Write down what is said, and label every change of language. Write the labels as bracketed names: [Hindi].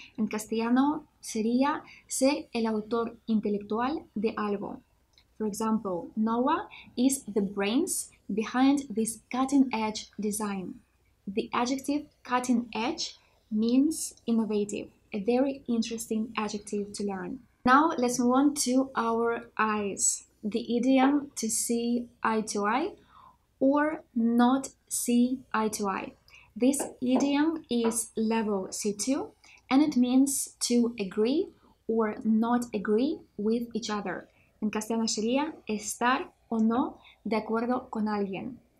[Spanish] En castellano sería ser el autor intelectual de algo. [English] For example, Noah is the brains behind this cutting-edge design. The adjective cutting-edge means innovative, a very interesting adjective to learn. Now let's move on to our eyes. The idiom to see eye to eye or not see eye to eye. This idiom is level C2 and it means to agree or not agree with each other. [Spanish] En castellano sería estar o no de acuerdo con alguien.